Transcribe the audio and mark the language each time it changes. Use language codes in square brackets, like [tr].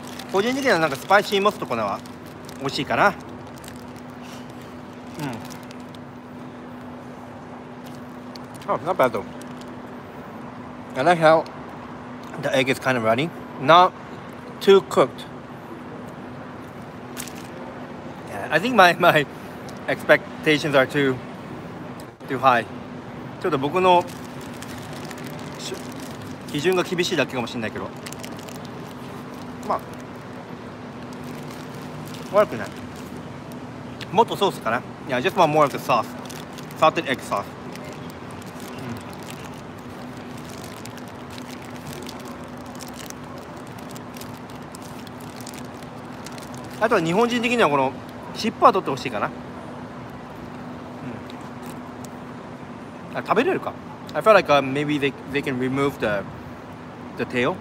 [ja] 個人的にはなんかスパイシーモスとかのは美味しいかな。 [en] Oh, not bad though. I like how the egg is kind of runny. Not too cooked. Yeah, I think my expectations are too high. [ja] ちょっと僕の基準が厳しいだけかもしれないけど。まあ、悪くない。もっとソースかな。いや、 [en] just want more of the sauce. Salted egg sauce. [ja] あとは日本人的にはこの尻尾は取ってほしいかな。あ、食べれるか。 [en] I felt like maybe they can remove the tail.